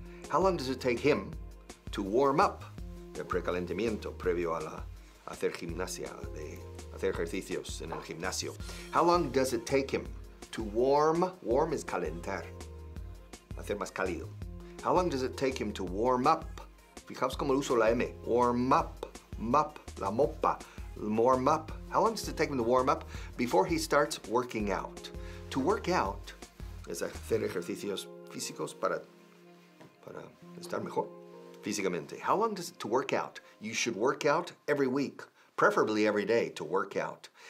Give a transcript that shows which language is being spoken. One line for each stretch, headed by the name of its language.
English: How long does it take him to warm up?
Spanish: De precalentamiento previo a la hacer gimnasia, de hacer ejercicios en el gimnasio.
English: How long does it take him to warm? Warm is calentar.
Spanish: Hacer más cálido.
English: How long does it take him to warm up?
Spanish: Fijaos cómo uso la M. Warm up. Mop. La mopa. Warm up.
English: How long does it take him to warm up before he starts working out?
Spanish: To work out es hacer ejercicios físicos para estar mejor físicamente.
English: How long does it to work out? You should work out every week, preferably every day to work out.